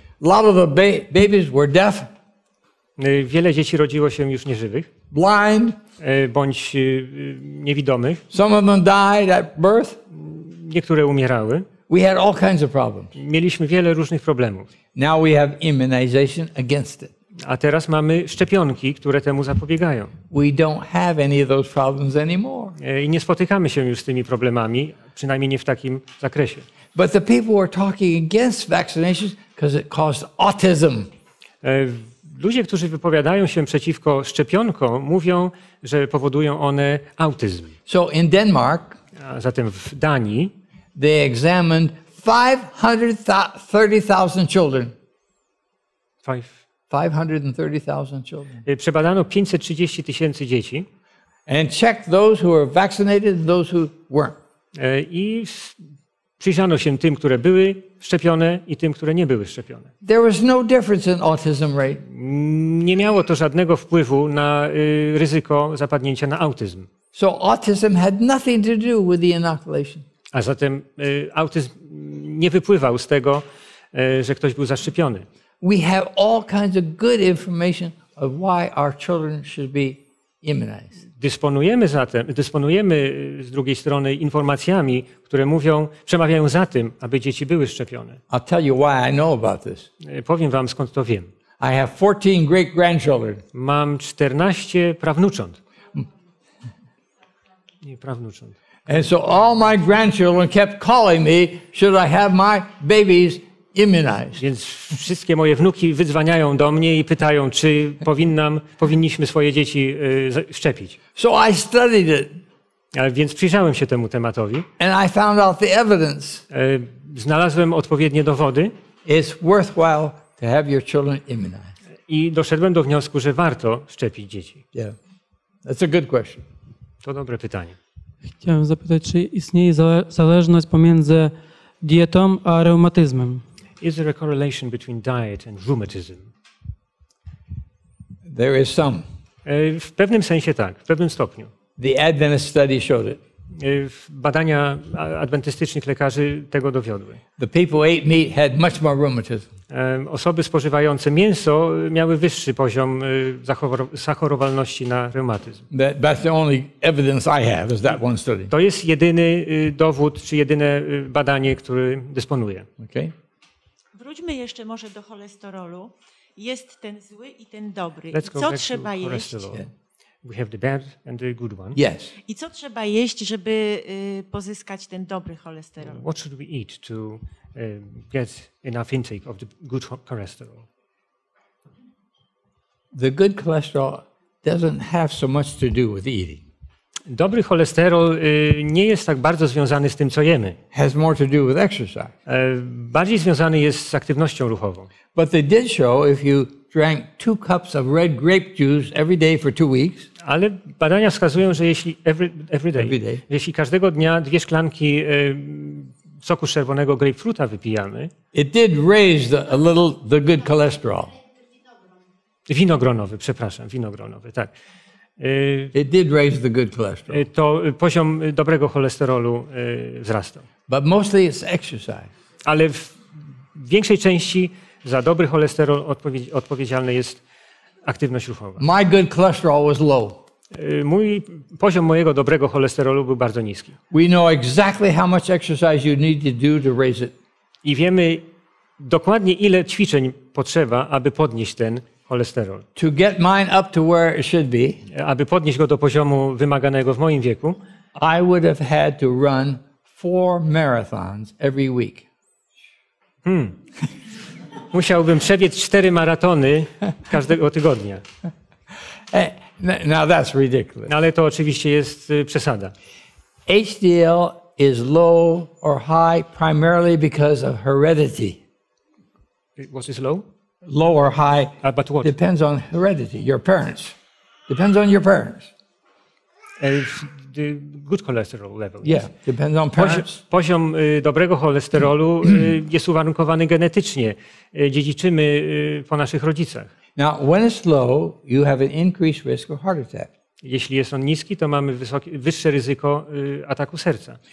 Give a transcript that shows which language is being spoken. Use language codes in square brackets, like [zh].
[en] Lot of the babies were deaf. [pl] Wiele dzieci rodziło się już nieżywych. [en] Blind. [pl] Bądź niewidomych. [en] Some of them died at birth. [pl] Niektóre umierały. [en] We had all kinds of problems. [pl] Mieliśmy wiele różnych problemów. [en] Now we have immunization against it. [pl] A teraz mamy szczepionki, które temu zapobiegają. [en] We don't have any of those problems anymore. [pl] I nie spotykamy się już z tymi problemami, przynajmniej nie w takim zakresie. [en] But the people were talking against vaccinations because it caused autism. [pl] Ludzie, którzy wypowiadają się przeciwko szczepionkom, mówią, że powodują one autyzm. [en] So in Denmark, [pl] a zatem w Danii, [en] they examined 530,000 children. 530,000 children. [pl] Przebadano 530 tysięcy dzieci. [en] And checked those who were vaccinated and those who weren't. [pl] I przyjrzano się tym, które były szczepione i tym, które nie były szczepione. [en] There was no difference in autism rate. [pl] Nie miało to żadnego wpływu na ryzyko zapadnięcia na autyzm. [en] So autism had nothing to do with the inoculation. [pl] A zatem autyzm nie wypływał z tego, że ktoś był zaszczepiony. [en] We have all kinds of good information of why our children should be immunized. [pl] Dysponujemy z drugiej strony informacjami, które mówią, przemawiają za tym, aby dzieci były szczepione. [en] I'll tell you why I know about this. [pl] Powiem wam, skąd to wiem. [en] I have 14 great grandchildren. [pl] Mam 14 prawnucząt. Nie prawnucząt. [en] And so all my grandchildren kept calling me, should I have my babies immunized? [pl] Więc wszystkie moje wnuki wydzwaniają do mnie i pytają, czy powinniśmy swoje dzieci szczepić. [en] So I studied it. [pl] Więc przyjrzałem się temu tematowi. [en] And I found out the evidence. [pl] Znalazłem odpowiednie dowody. [en] It's worthwhile to have your children immunized. [pl] I doszedłem do wniosku, że warto szczepić dzieci. [en] Yeah. That's a good question. [pl] To dobre pytanie. Chciałem zapytać, czy istnieje zależność pomiędzy dietą a reumatyzmem? [en] Is there a correlation between diet and rheumatism? There is some. [pl] W pewnym sensie tak, w pewnym stopniu. [en] The Adventist study showed it. [pl] Badania adwentystycznych lekarzy tego dowiodły. [en] The people ate meat had much more rheumatism. [pl] Osoby spożywające mięso miały wyższy poziom zachorowalności na reumatyzm. [en] That's the only evidence I have is that one study. [pl] To jest jedyny dowód czy jedyne badanie, które dysponuję. [en] Okay. [pl] Wróćmy jeszcze może do cholesterolu. Jest ten zły i ten dobry. Co trzeba jeść? [en] We have the bad and the good one. Yes. [pl] I co trzeba jeść, żeby pozyskać ten dobry cholesterol? [en] What should we eat to get enough intake of the good cholesterol? The good cholesterol doesn't have so much to do with eating. [pl] Dobry cholesterol nie jest tak bardzo związany z tym, co jemy. [en] Has more to do with exercise. [pl] Bardziej związany jest z aktywnością ruchową. [en] But they did show if you drank 2 cups of red grape juice every day for 2 weeks. [pl] Ale badania wskazują, że jeśli every day. Jeśli każdego dnia 2 szklanki soku z czerwonego grapefruita wypijamy, [en] it did raise a little the good cholesterol. [pl] Winogronowy, tak. [en] It did raise the good cholesterol. [pl] To poziom dobrego cholesterolu wzrastał. [en] But mostly it's exercise. [pl] Ale w większej części za dobry cholesterol odpowiedzialny jest aktywność ruchowa. [en] My good cholesterol was low. [pl] Poziom mojego dobrego cholesterolu był bardzo niski. [en] We know exactly how much exercise you need to do to raise it. [pl] I wiemy dokładnie, ile ćwiczeń potrzeba, aby podnieść ten cholesterol. [en] To get mine up to where it should be. [pl] Aby podnieść go do poziomu wymaganego w moim wieku. [en] I would have had to run 4 marathons every week. [pl] Musiałbym przebiec 4 maratony każdego tygodnia. [en] Now that's ridiculous. [pl] Ale to oczywiście jest przesada. [en] HDL is low or high primarily because of heredity. What is low? Low or high. But what? Depends on heredity, your parents. Depends on your parents. The good cholesterol level. Yeah, depends on parents. [pl] Poziom dobrego cholesterolu jest uwarunkowany genetycznie. Dziedziczymy po naszych rodzicach. [en] Now, when it's low, you have an increased risk of heart attack. [pl] Jeśli jest on niski, to mamy wyższe ryzyko ataku serca.